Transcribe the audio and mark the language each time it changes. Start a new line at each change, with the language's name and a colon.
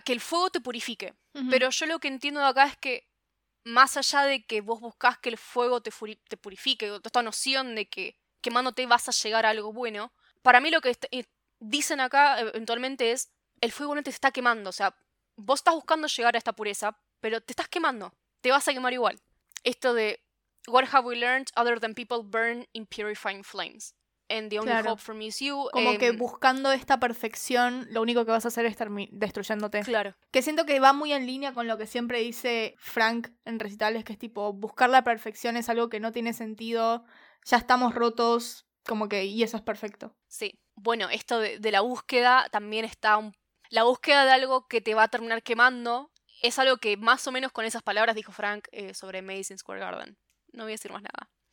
Spanish: Que el fuego te purifique. Uh-huh. Pero yo lo que entiendo de acá es que, más allá de que vos buscás que el fuego te purifique, esta noción de que quemándote vas a llegar a algo bueno, para mí lo que dicen acá eventualmente es el fuego no te está quemando, o sea... Vos estás buscando llegar a esta pureza, pero te estás quemando. Te vas a quemar igual. Esto de...
English: What have we learned other than people burn in purifying flames? And the only hope for me is you.
Spanish: Como que buscando esta perfección, lo único que vas a hacer es destruyéndote. Claro. Que siento que va muy en línea con lo que siempre dice Frank en recitales, que es tipo, buscar la perfección es algo que no tiene sentido. Ya estamos rotos. Como que, y eso es perfecto. Sí. Bueno, esto de la búsqueda también está un... La búsqueda de algo que te va a terminar quemando es algo que más o menos con esas palabras dijo Frank sobre Madison Square Garden. No voy a decir más nada.